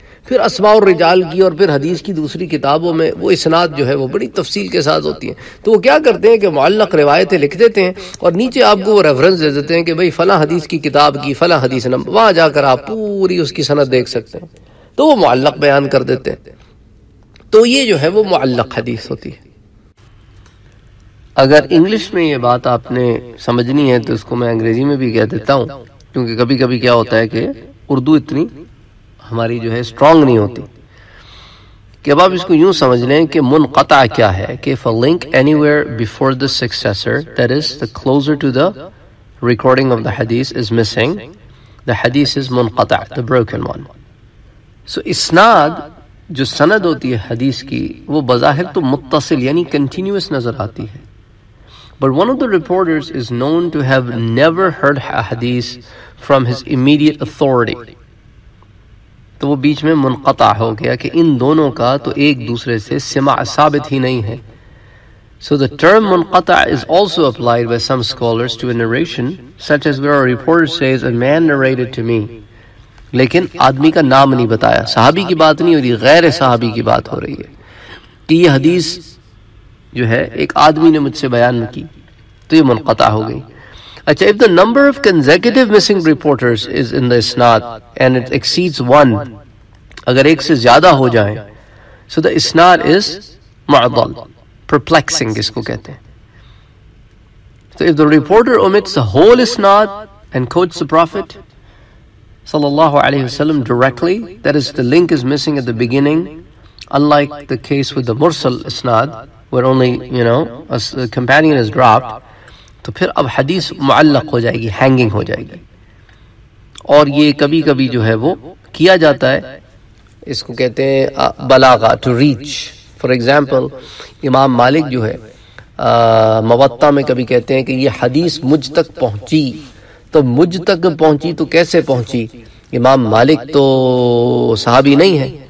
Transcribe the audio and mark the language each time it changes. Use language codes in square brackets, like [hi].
[ur] پھر اسماء الرجال کی اور پھر حدیث کی دوسری کتابوں میں وہ اسناد جو ہے وہ بڑی تفصیل کے ساتھ ہوتی ہیں، تو وہ کیا کرتے ہیں کہ معلق روایتیں لکھ دیتے ہیں اور نیچے آپ کو وہ ریفرنس دے دیتے ہیں کہ بھئی فلاں حدیث کی کتاب کی فلاں حدیث نمبر، وہاں جا کر آپ پوری اس کی سند دیکھ سکتے ہیں، تو وہ معلق بیان کر دیتے ہیں، تو یہ جو ہے وہ معلق حدیث ہوتی ہے۔ اگر انگلش میں یہ بات آپ نے سمجھنی ہے تو اس کو میں انگریزی میں بھی کہہ دیتا ہوں، کیونکہ کبھی کبھی کیا ہوتا ہے کہ اردو اتنی ہماری جو ہے سٹرونگ نہیں ہوتی، کہ اب آپ اس کو یوں سمجھ لیں کہ منقطع کیا ہے کہ [en] if a link anywhere before the successor that is the closer to the recording of the حدیث is missing the حدیث is منقطع the broken one [ur] سو اسناد جو سند ہوتی ہے حدیث کی وہ بظاہر تو متصل یعنی continuous نظر آتی ہے [en] But one of the reporters is known to have never heard a hadith from his immediate authority. [ur] تو وہ بیچ میں منقطع ہو گیا کہ ان دونوں کا تو ایک دوسرے سے سماع ثابت ہی نہیں ہے. [en] So the term munqati is also applied by some scholars to a narration such as where a reporter says a man narrated to me. [ur] لیکن آدمی کا نام نہیں بتایا. صحابی کی بات نہیں ہو رہی غیر صحابی کی بات ہو رہی ہے. کہ یہ حدیث جو ہے ایک آدمی نے مجھ سے بیان کی تو یہ منقطع ہو گئی اچھا [en] if the number of consecutive missing reporters is in the isnad and it exceeds one [ur] اگر ایک سے زیادہ ہو جائیں [en] so the isnad is [ur] معضل perplexing اس کو کہتے ہیں [en] so if the reporter omits the whole isnad and quotes the prophet صلی اللہ علیہ وسلم directly that is the link is missing at the beginning unlike the case with the mursal isnad where only, you know, a companion is dropped, [ur] تو پھر اب حدیث معلق ہو جائے گی, [en] hanging [ur] ہو جائے گی. اور یہ کبھی کبھی جو ہے وہ کیا جاتا ہے, اس کو کہتے ہیں بلاغا, [en] to reach. [ur] For example, امام مالک جو ہے, موطا میں کبھی کہتے ہیں کہ یہ حدیث مجھ تک پہنچی, تو مجھ تک پہنچی تو کیسے پہنچی؟ امام مالک تو صحابی نہیں ہے.